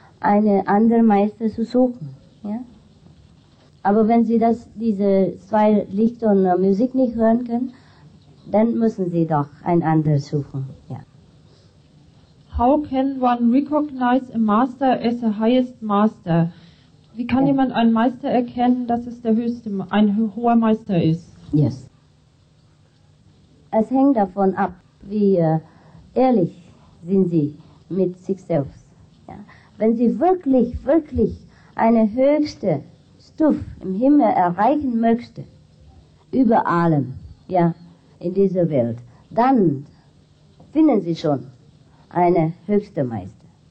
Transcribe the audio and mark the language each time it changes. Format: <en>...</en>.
<de>einen anderen Meister zu suchen. Ja? Aber wenn Sie das, diese zwei Lichter und Musik nicht hören können, dann müssen Sie doch einen anderen suchen. Ja.</de> <en>How can one recognize a master as a highest master?</en> <de>Wie kann jemand einen Meister erkennen, dass es der höchste, ein hoher Meister ist?</de> <en>Yes.</en> <de>Es hängt davon ab, wie ehrlich sind Sie mit sich selbst. Ja? Wenn Sie wirklich, wirklich eine höchste Stufe im Himmel erreichen möchten, über allem, ja, in dieser Welt, dann finden Sie schon eine höchste Meister.</de>